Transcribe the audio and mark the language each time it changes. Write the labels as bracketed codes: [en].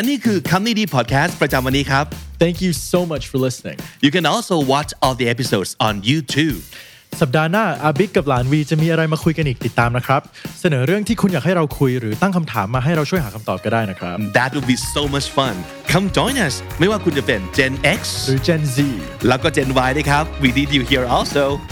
[th] และนี่คือคำนี้ดีพอดแคสต์ประจำวันนี้ครับ [en] Thank you so much for listening. You can also watch all the episodes on YouTube. [th] สัปดาห์หน้าอาบิ๊กกับหลานวีจะมีอะไรมาคุยกันอีกติดตามนะครับเสนอเรื่องที่คุณอยากให้เราคุยหรือตั้งคำถามมาให้เราช่วยหาคำตอบก็ได้นะครับ [en] That would be so much fun. Come join us. [th] ไม่ว่าคุณจะเป็น [en] Gen X [th] หรือ Gen Z แล้วก็ [en] Gen Y [th] ด้วยครับ [en] We need you here also.